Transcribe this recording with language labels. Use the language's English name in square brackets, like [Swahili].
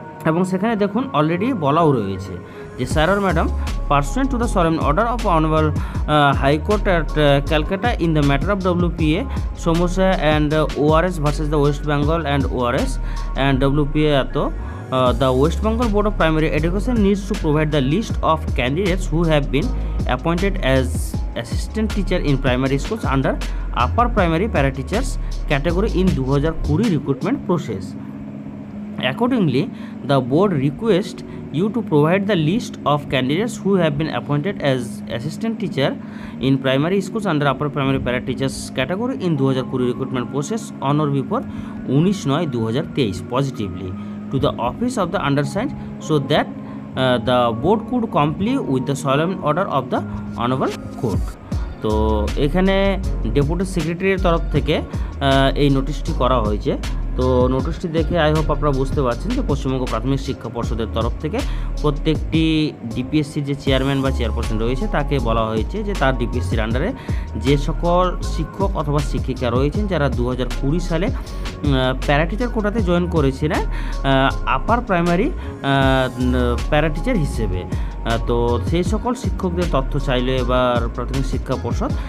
[Bangla] এবং সেখানে দেখুন অলরেডি বলাও রয়েছে যে [English] Sir আর madam, pursuant to the solemn order of honourable high court at Calcutta in the matter of WPA samosa and ORS versus the West Bengal and ORS and WPA at the West Bengal board of primary education needs to provide the list of candidates who have been appointed as assistant teacher in primary schools under upper primary para teachers category in 2020 recruitment process. Accordingly, the board request you to provide the list of candidates who have been appointed as assistant teacher in primary schools under upper primary para-teachers category in 2020 recruitment process on or before 19/9/2023 positively to the office of the undersigned so that the board could comply with the solemn order of the honorable court. [Bangla] তো এখানে deputy সেক্রেটারির তরফ থেকে এই নোটিশটি করা হয়েছে। তো নোটিশটি দেখে [English] I hope [Bangla] আপনারা বুঝতে পারছেন যে পশ্চিমবঙ্গ প্রাথমিক শিক্ষা পর্ষদের তরফ থেকে প্রত্যেকটি DPSC যে চেয়ারম্যান বা চেয়ারপারসন রয়েছে তাকে বলা হয়েছে যে তার DPSC-র আন্ডারে যে সকল শিক্ষক অথবা শিক্ষিকা রয়েছেন যারা 2020 সালে প্যারাটিচার কোটাতে জয়েন করেছিলেন আপার প্রাইমারি প্যারাটিচার হিসেবে, তো সেই সকল শিক্ষকদের তথ্য চাইল এবার প্রাথমিক শিক্ষা পর্ষদ।